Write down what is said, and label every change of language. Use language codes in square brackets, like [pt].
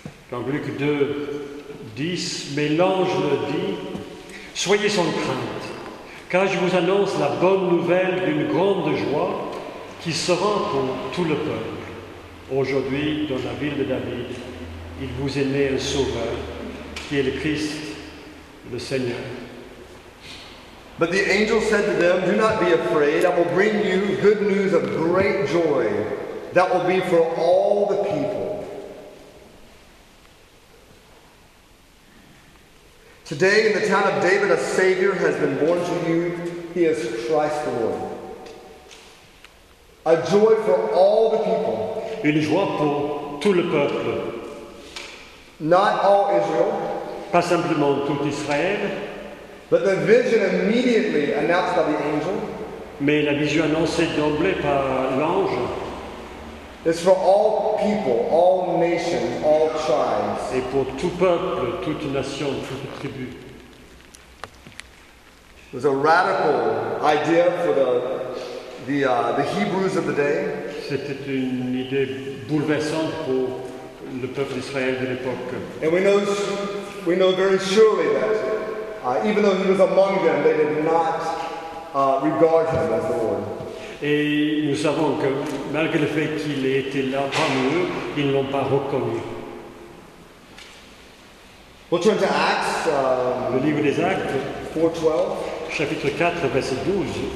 [fr] Dans Luc 2, 10, mais l'ange le dit, soyez sans crainte, car je vous annonce la bonne nouvelle d'une grande joie qui sera pour tout le peuple. Aujourd'hui, dans la ville de David, il vous est né un sauveur, qui est le Christ. Le Seigneur. [en] But the angel said to them, do not be afraid, I will bring you good news of great joy that will be for all the people. Today in the town of David a Savior has been born to you. He is Christ the Lord. A joy for all the people. [fr] Une joie pour tout le peuple. [en] Not all Israel. [fr] Pas simplement tout Israël, [en] but the vision immediately announced by the angel, [fr] mais la vision annoncée d'emblée par l'ange, [en] is for all people, all nations, all tribes, [fr] et pour tout peuple, toute nation, toute tribu. [en] It was a radical idea for the Hebrews of the day. [fr] C'était une idée bouleversante pour le peuple d'Israël de l'époque. [en] And we know very surely that even though he was among them, they did not regard him as the Lord. [fr] Et nous savons que malgré le fait qu'il ait été là parmi eux, ils ne l'ont pas reconnu. [en] We'll turn to Acts, [fr] le livre des Actes, [en] 4:12. [fr] Chapitre 4, verset 12.